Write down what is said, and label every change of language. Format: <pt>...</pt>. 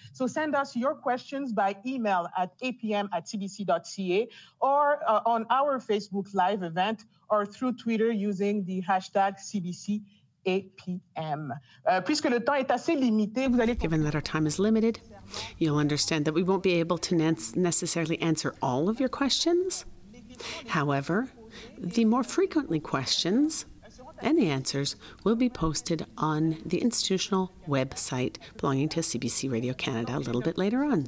<en>So send us your questions by email at apm@cbc.ca or on our Facebook Live event or through Twitter using the hashtag CBCAPM.</en> <fr>Puisque le temps est assez limité, vous allez...</fr> <en>Given that our time is limited, you'll understand that we won't be able to necessarily answer all of your questions. However, the more frequently questions and the answers will be posted on the institutional website belonging to CBC Radio Canada a little bit later on.</en>